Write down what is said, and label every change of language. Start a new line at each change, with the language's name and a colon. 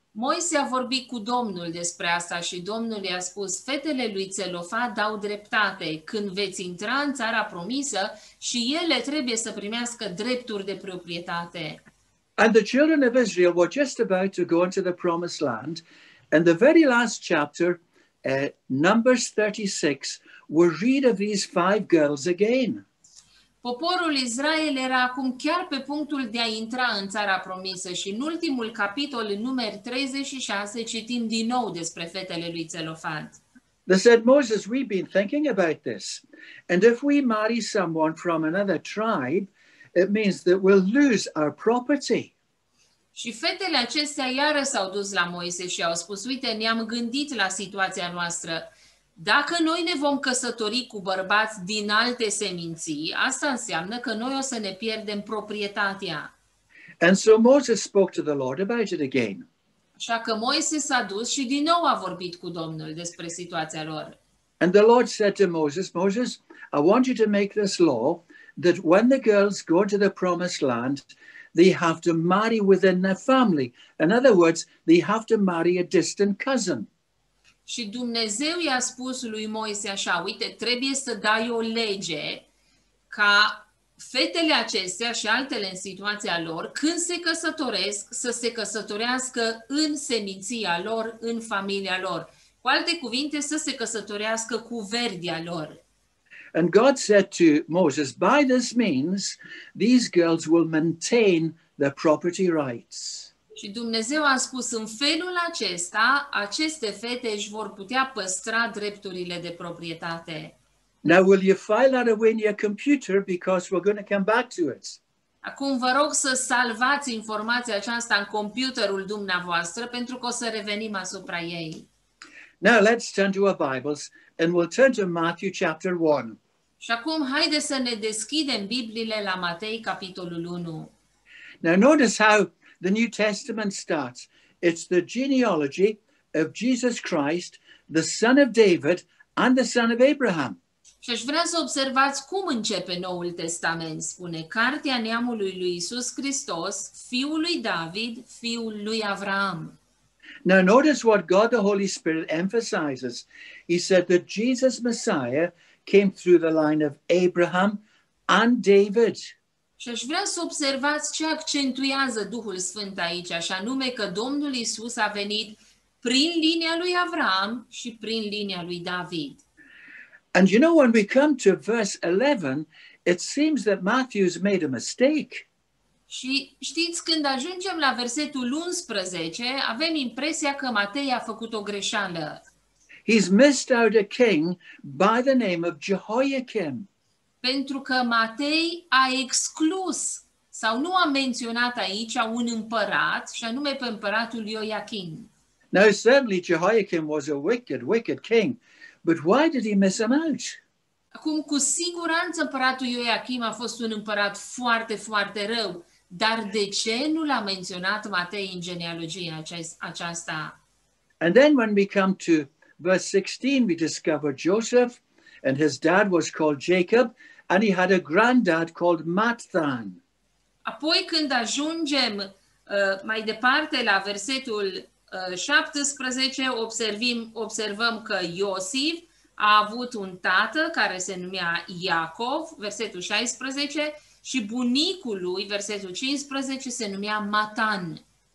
Romanian: Moise a vorbit cu Domnul despre asta și Domnul i-a spus, fetele lui Zelofad dau dreptate când veți intra în țara promisă și ele trebuie să primească drepturi de proprietate.
English: And the children of Israel were just about to go into the promised land. In the very last chapter, Numbers 36, we read of these five girls again.
Romanian: Poporul Israel era acum chiar pe punctul de a intra în țara promisă și în ultimul capitol, în numeri 36, citim din nou despre fetele lui Zelofad.
English: They said, Moses, we've been thinking about this. And if we marry someone from another tribe, it means that we'll lose our property.
Romanian: Și fetele acestea iară s-au dus la Moise și au spus, uite, ne-am gândit la situația noastră. Dacă noi ne vom căsători cu bărbați din alte seminții, asta înseamnă că noi o să ne pierdem proprietatea.
English: And so Moses spoke to the Lord about it again.
Romanian: Așa că Moise s-a dus și din nou a vorbit cu Domnul despre situația lor.
English: And the Lord said to Moses, Moses, I want you to make this law that when the girls go to the promised land, they have to marry within their family. In other words, they have to marry a distant cousin.
Romanian: Și Dumnezeu i-a spus lui Moise așa, uite, trebuie să dai o lege ca fetele acestea și altele în situația lor, când se căsătoresc, să se căsătorească în seminția lor, în familia lor. Cu alte cuvinte, să se căsătorească cu verdia lor.
English: And God said to Moses, by this means, these girls will maintain their property rights.
Romanian: Și Dumnezeu a spus, în felul acesta, aceste fete își vor putea păstra drepturile de proprietate.
English: Now, will you file that away in your computer, because we're going to come back to it.
Romanian: Acum vă rog să salvați informația aceasta în computerul dumneavoastră, pentru că o să revenim asupra ei.
English: Now, let's turn to our Bibles and we'll turn to Matthew chapter 1.
Romanian: Și acum haide să ne deschidem Bibliile la Matei, capitolul 1.
English: Now, notice how the New Testament starts. It's the genealogy of Jesus Christ, the son of David and the son of Abraham.
Romanian: Și aș vrea să observați cum începe Noul Testament. Spune, cartea neamului lui Iisus Hristos, fiul lui David, fiul lui Avraam.
English: Now notice what God the Holy Spirit emphasizes. He said that Jesus Messiah came through the line of Abraham and David.
Romanian: Și aș vrea să observați ce accentuează Duhul Sfânt aici, așa nume că Domnul Iisus a venit prin linia lui Avraam și prin linia lui David.
English: And you know, when we come to verse 11, it seems that Matthew's made a mistake.
Romanian: Și știți, când ajungem la versetul 11, avem impresia că Matei a făcut o greșeală.
English: He's missed out a king by the name of Jehoiakim.
Romanian: Pentru că Matei a exclus sau nu a menționat aici un împărat, și anume pe împăratul Ioachim.
English: Now, certainly Jehoiakim was a wicked, wicked king. But why did he miss him out?
Romanian: Acum, cu siguranță, împăratul Ioachim a fost un împărat foarte, foarte rău. Dar de ce nu l-a menționat Matei în genealogia aceasta?
English: And then when we come to verse 16, we discover Joseph, and his dad was called Jacob, and he had a granddad called Matthan.
Romanian: Apoi, când ajungem mai departe la versetul 17, observăm că Iosif a avut un tată care se numea Iacov, versetul 16, și bunicul lui, versetul 15, se numea Matan.